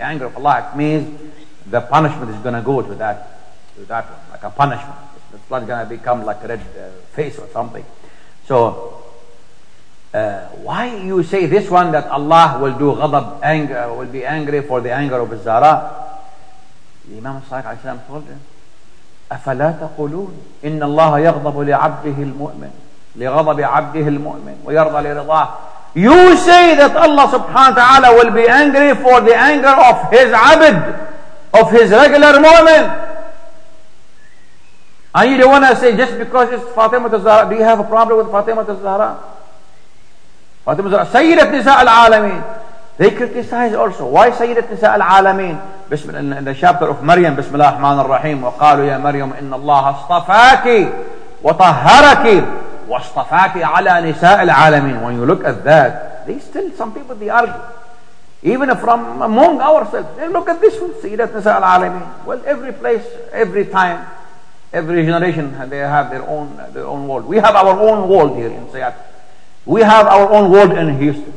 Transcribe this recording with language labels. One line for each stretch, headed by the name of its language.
English: The anger of Allah, it means the punishment is going to go to that one, like a punishment. It's not going to become like a red face or something. So, why you say this one, that Allah will do ghadab, anger, will be angry for the anger of Zahra? The Imam al-Sadiq told him,
Arabic: أَفَلَا تَقُولُونَ إِنَّ اللَّهَ يَغْضَبُ لِعَبْدِهِ الْمُؤْمِنِ لِغَضَبِ عَبْدِهِ الْمُؤْمِنِ وَيَرْضَى لِرِضَاهِ.
English: You say that Allah subhanahu wa ta'ala will be angry for the anger of his abid, of his regular mu'min. And you don't want to say just because it's Fatima al-Zahra, do you have a problem with Fatima al-Zahra? Fatima al-Zahra, Sayyidat Nisa al-Alameen. They criticize also. Why Sayyidat Nisa al-Alameen? In the chapter of Maryam,
Arabic: Bismillah ar-Rahman ar-Rahim, وَقَالُوا يَا مَرْيَمُ إِنَّ اللَّهَ اصْطَفَاكِ وَطَهَّرَكِ وَاصْطَفَاكِ عَلَى نِسَاءِ الْعَالَمِينَ.
English: When you look at that, there's still some people, they argue. Even from among ourselves, they look at this one, Sayyidat Nisa al-Alameen. Well, every place, every time, every generation, they have their own world. We have our own world here in Seattle. We have our own world in Houston.